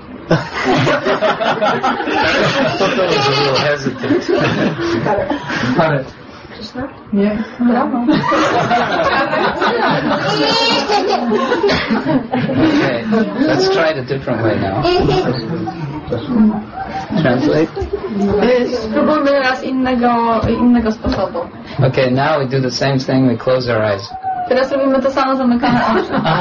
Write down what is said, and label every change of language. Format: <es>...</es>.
<en>I thought that was a little hesitant. Hare. Krishna? Yeah. Okay, let's try it a different way now. Translate?</en> <pl>Spróbujmy raz innego sposobu.</pl> <en>Okay, now we do the same thing, we close our eyes.</en> <pl>Teraz robimy to samo, zamykamy oczy.</pl>